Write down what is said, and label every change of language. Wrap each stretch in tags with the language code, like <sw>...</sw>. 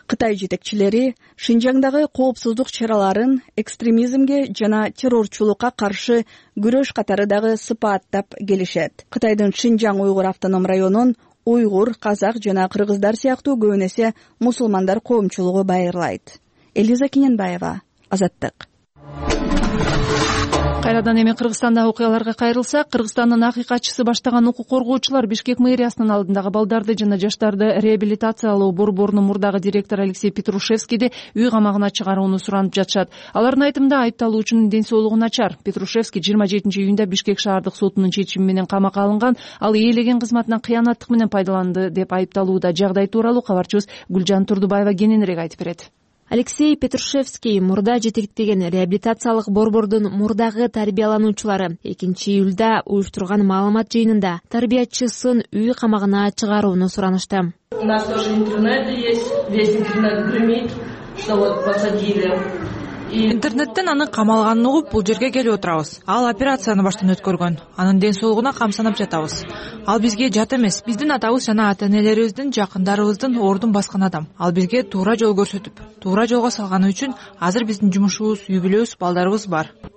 <ky>Кытай жетекчилери Шинжаңдагы коопсуздук чараларын экстремизмге жана террорчулукка каршы күрөш катары дагы сыпаттап келишет. Кытайдын Шинжаң Уйгур автоном районун уйгур, казак жана кыргыздар сыяктуу көп эсе мусулмандар коомчулугу байырлайт. Элиза Кененбаева, Азаттык. Кайрадан эми Кыргызстандагы окуяларга кайрылсак, Кыргызстандын акыйкатчысы баштаган укук коргоочулар Бишкек мэриясынын алдындагы балдарды жана жаштарды реабилитациялоо борборунун мурдагы директору Алексей Петрушевскийди үй камагына чыгарууну суранып жатышат. Алардын айтымында айыпталуучунун ден соолугу начар. Петрушевский 27 июнда Бишкек шаардык сотунун чечими менен камакка алынган, ал ээлеген кызматынан кыянаттык менен пайдаланды деп айыпталууда. Жагдай тууралуу кабарчыбыз Гүлжан Турдубаева кененирээк айтып берет. Алексей Петрушевский мурда жетектеген реабилитациялык борбордун мурдагы тарбиялануучулары 2 июлда уюштурган маалымат жыйынында тарбиячысын үй камагына чыгарууну суранышты.</ky> <ru>У нас тоже интернет есть, весь интернет гремит, что вот посадили.</ru> <ky>Интернеттен аны камалганын угуп, бул жерге келип отурабыз. Ал операцияны баштан өткөргөн. Анын ден соолугуна камсанып жатабыз. Ал бизге жат эмес. Биздин атабыз жана ата-энелерибиздин, жакындарыбыздын ордун баскан адам. Ал бизге туура жол көрсөтүп, туура жолго салганы үчүн азыр биздин жумушубуз, үй бүлөбүз, балдарыбыз бар.</ky>